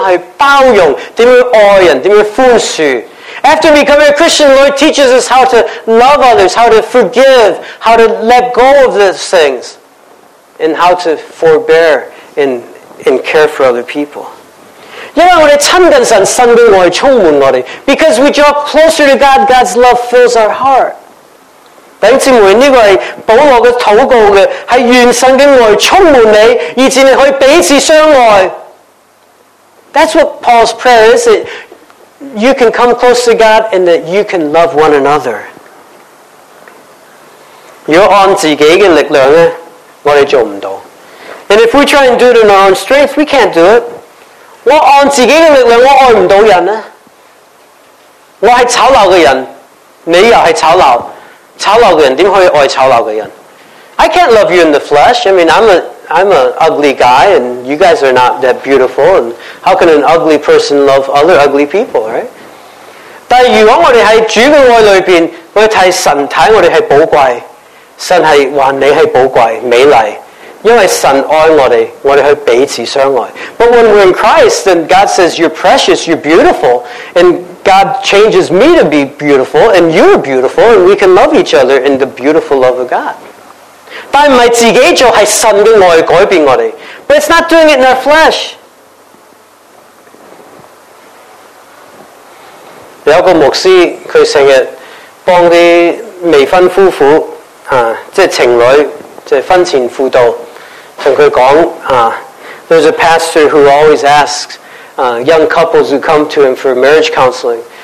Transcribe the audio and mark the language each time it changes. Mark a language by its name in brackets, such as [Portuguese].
[Chinese] 我们信耶稣之后，耶稣教我们怎么样去包容，怎么样爱人，怎么样宽恕。 [English] After becoming a Christian, the Lord teaches us how to love others, how to forgive, how to let go of those things, and how to forbear and care for other people. [Chinese] 因为我们亲近神，神的爱充满我们。 [English] Because we draw closer to God, God's love fills our heart. [Chinese] 弟兄姊妹，这个是保罗的祷告的，是愿神的爱充满你，以致你可以彼此相爱。 [English] That's what Paul's prayer is, that you can come close to God and that you can love one another. [Chinese] 若按自己的力量呢，我们做不到。 [English] And if we try and do it in our own strength, we can't do it. [Chinese] 我按自己的力量，我爱不到人呢。我是丑陋的人，你又是丑陋。丑陋的人怎么可以爱丑陋的人? [English] I can't love you in the flesh. I mean, I'm a ugly guy, and you guys are not that beautiful. And how can an ugly person love other ugly people, right? [Chinese] 但如果我们在主的爱里面，我们看神看我们是宝贵，神是说你是宝贵、美丽。因为神爱我们，我们去彼此相爱。 [English] But when we're in Christ, then God says, you're precious, you're beautiful, and God changes me to be beautiful, and you're beautiful, and we can love each other in the beautiful love of God. [Chinese] 但不是自己做，是神的爱改变我们。 [English] But it's not doing it in our flesh. [Chinese] 有一个牧师，他经常帮未婚夫妇，即是情侣，即是婚前辅导。 [English] There's a pastor who always asks young couples who come to him for marriage counseling.